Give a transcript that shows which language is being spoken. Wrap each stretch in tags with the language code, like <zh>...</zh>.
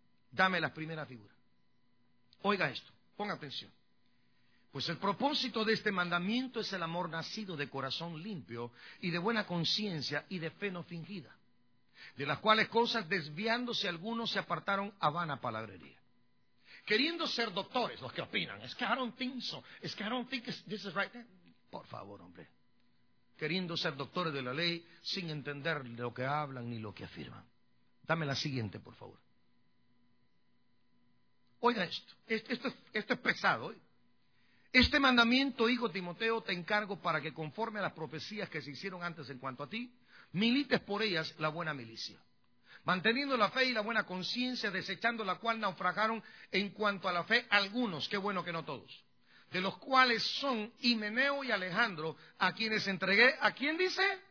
<es>Dame la primera figura. Oiga esto, ponga atención. Pues el propósito de este mandamiento es el amor nacido de corazón limpio y de buena conciencia y de fe no fingida. De las cuales cosas, desviándose algunos, se apartaron a vana palabrería. Queriendo ser doctores, los que opinan,</es> <en>I don't think this is right.</en> <es>Por favor, hombre. Queriendo ser doctores de la ley, sin entender lo que hablan ni lo que afirman. Dame la siguiente, por favor. Oiga esto. Esto es pesado. Este mandamiento, hijo Timoteo, te encargo para que conforme a las profecías que se hicieron antes en cuanto a ti, milites por ellas la buena milicia, manteniendo la fe y la buena conciencia, desechando la cual naufragaron en cuanto a la fe algunos, qué bueno que no todos, de los cuales son Himeneo y Alejandro, a quienes entregué, ¿a quién dice?</es>